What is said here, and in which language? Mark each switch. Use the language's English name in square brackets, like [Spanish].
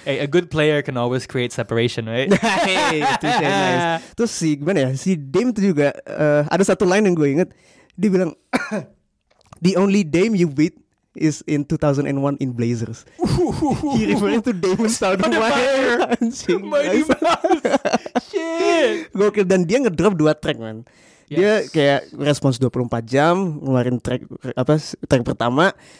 [English] Hey, a good player can always create separation, right? Hey, itu nice. [Indonesian] Terus si gimana ya, si Dame itu juga ada satu line yang gue inget. Dia bilang, [English] the only Dame you beat is in 2001 in Blazers. He referring to Damon Stoudemire. [Indonesian] Anjing, mighty mouse. Shit. Gokil, dan dia ngedrop 2 track man. Dia kayak respons 24 jam, ngeluarin track pertama.